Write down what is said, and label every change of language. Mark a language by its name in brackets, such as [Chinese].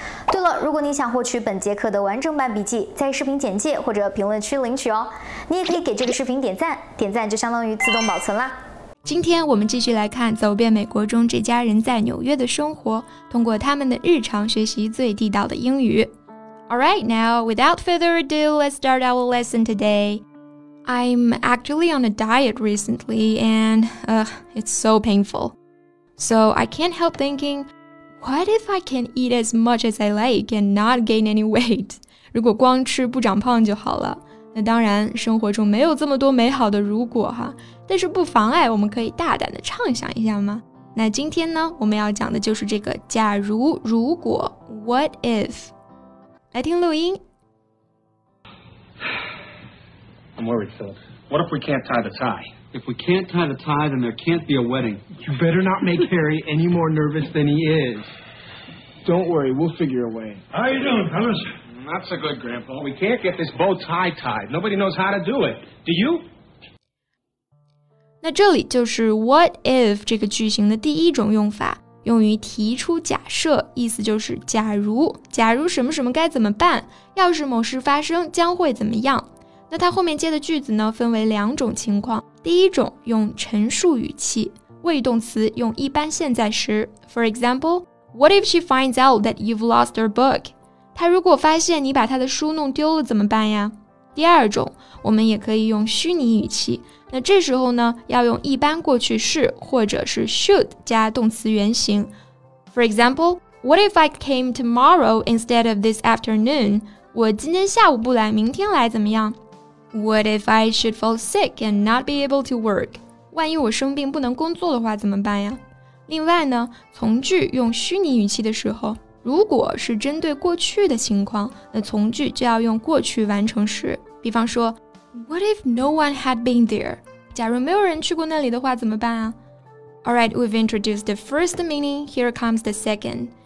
[Chinese] 对了，如果你想获取本节课的完整版笔记，在视频简介或者评论区领取哦。你也可以给这个视频点赞，点赞就相当于自动保存啦。今天我们继续来看走遍美国中这家人在纽约的生活，通过他们的日常学习最地道的英语。 [English] Alright, now, without further ado, let's start our lesson today. I'm actually on a diet recently, and, it's so painful. So I can't help thinking, what if I can eat as much as I like and not gain any weight? [Chinese] 如果光吃不长胖就好了。那当然，生活中没有这么多美好的如果哈，但是不妨碍我们可以大胆的畅想一下吗？那今天呢，我们要讲的就是这个假如，如果 what if? 来听录音。 [English] I'm worried, Philip. What if we can't tie the tie? If we can't tie the tie, then there can't be a wedding. You better not make Harry any more nervous than he is. Don't worry, we'll figure a way. How you doing, fellas? Not so good, Grandpa. We can't get this bow tie tied. Nobody knows how to do it. Do you? [Chinese] 那这里就是 what if 这个句型的第一种用法。用于提出假设，意思就是假如什么什么该怎么办，要是某事发生将会怎么样。那它后面接的句子呢，分为两种情况。第一种用陈述语气，谓动词用一般现在时。 [English] For example, what if she finds out that you've lost her book? [Chinese] 她如果发现你把她的书弄丢了怎么办呀？第二种，我们也可以用虚拟语气，那这时候呢，要用一般过去式或者是 should 加动词原形。 [English] For example, what if I came tomorrow instead of this afternoon? [Chinese] 我今天下午不来，明天来怎么样？ [English] What if I should fall sick and not be able to work? [Chinese] 万一我生病不能工作的话怎么办呀？另外呢，从句用虚拟语气的时候，如果是针对过去的情况，那从句就要用过去完成时。比方说 [English] What if no one had been there? [Chinese] 假如没有人去过那里的话怎么办啊？ [English] Alright, we've introduced the first meaning, here comes the second.